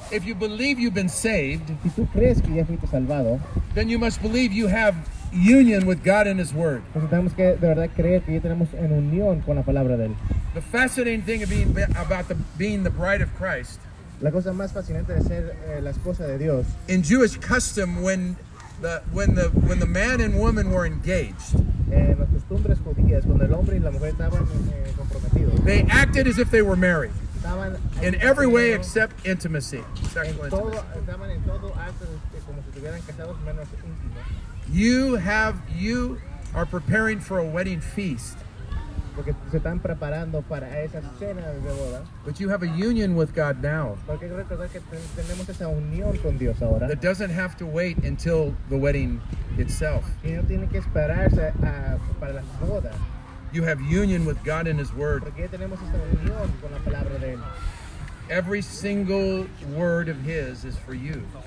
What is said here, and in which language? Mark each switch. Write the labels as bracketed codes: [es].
[en] If you believe you've been saved, [es] si tú crees que ya fuiste salvado, [en] then you must believe you have union with God and His Word. [es] Tenemos que de verdad creer que ya tenemos en unión con la palabra de él. [en] The fascinating thing about being the bride of Christ. [es] La cosa más fascinante de ser la esposa de Dios. [en] In Jewish custom, when the man and woman were engaged. [es] En las costumbres judías, cuando el hombre y la mujer estaban comprometidos. [en] They acted as if they were married. [es] Estaban [en] in every way except intimacy. [es] Estaban en todo acto como si estuvieran casados menos íntimo. [en] You are preparing for a wedding feast. [es] Porque se están preparando para esa cena de boda. [en] But you have a union with God now. [es] Porque recordar que tenemos esa unión con Dios ahora. [en] That doesn't have to wait until the wedding itself. [es] Y no tiene que esperarse para la boda. [en] You have union with God and His Word. [es] Porque tenemos esa unión con la palabra de él. [en] Every single word of His is for you.